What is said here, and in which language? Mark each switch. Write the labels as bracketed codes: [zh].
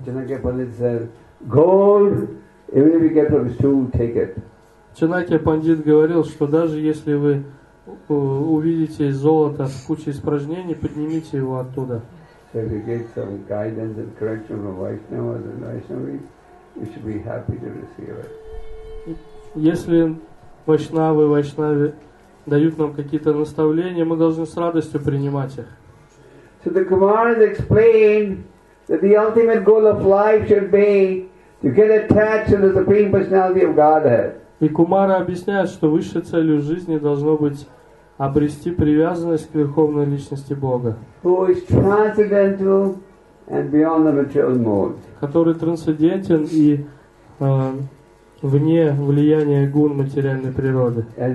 [en] Chanakya Pandit said, gold, even if you get from stool, take it. [ru] Чанакья Пандит говорил, что даже если вы увидите золото с кучей испражнений, поднимите его оттуда. [en] So if you get some guidance and correction from Vaishnavas and Vaishnavis, you should be happy to receive it. [ru] Если Вайшнавы и Вайшнави дают нам какие-то наставления, мы должны с радостью принимать их. [en] So the Kumaras explain that the ultimate goal of life should be to get attached to the Supreme Personality of Godhead. [ru] И Кумары объясняют, что высшей целью жизни должно быть обрести привязанность к Верховной Личности Бога, который трансцендентен и вне влияния гун материальной природы.